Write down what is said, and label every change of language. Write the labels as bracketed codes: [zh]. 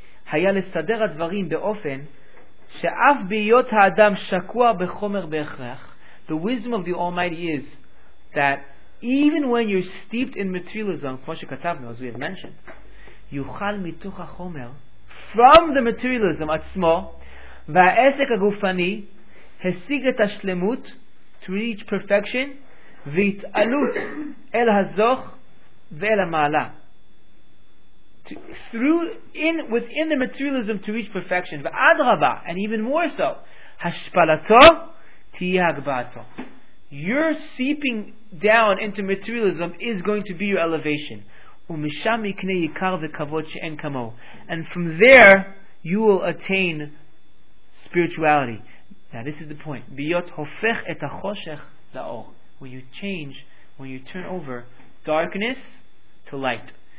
[he] היה לסדר הדברים באופן שאף בהיות האדם שקוע בחומר בהכרח. [en] The wisdom of the Almighty is that even when you're steeped in materialism, [he] כמו שכתבנו, [en] as we have mentioned, [he] יוכל מתוך החומר, [en] from the materialism [he] עצמו, והעסק הגופני השיג את השלמות, [en] to reach perfection, [he] והתעלות אל הזוך ואל המעלה. [en] Within the materialism to reach perfection, [he] ואדרבה, [en] and even more so, [he] השפלתו תהיה הגבהתו. [en] Your seeping down into materialism is going to be your elevation. [he] ומשם יקנה יקר וכבוד שאין כמו. [en] And from there, you will attain spirituality. Now this is the point. [he] ביות הופך את החושך לאור. [en] When you change, when you turn over darkness to light.